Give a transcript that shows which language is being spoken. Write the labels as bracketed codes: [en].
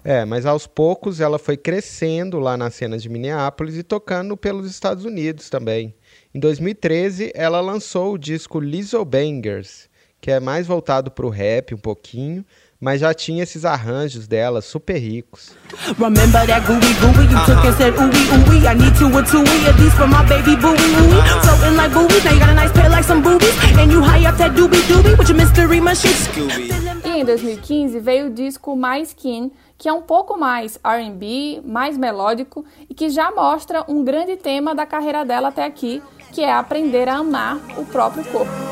[pt] É, mas aos poucos ela foi crescendo lá na cena de Minneapolis e tocando pelos Estados Unidos também. Em 2013, ela lançou o disco Lizzo Bangers, que é mais voltado para o rap um pouquinho, mas já tinha esses arranjos dela super ricos. [en] Remember that gooey gooey you took and said ooey ooey, I need you with two at least for my baby booey ooey. Floating like boobies, now you got a nice pair like some boobies, and you high up that doobie doobie with your mystery machine. [pt] E em 2015 veio o disco My Skin, que é um pouco mais R&B, mais melódico, e que já mostra um grande tema da carreira dela até aqui, que é aprender a amar o próprio corpo.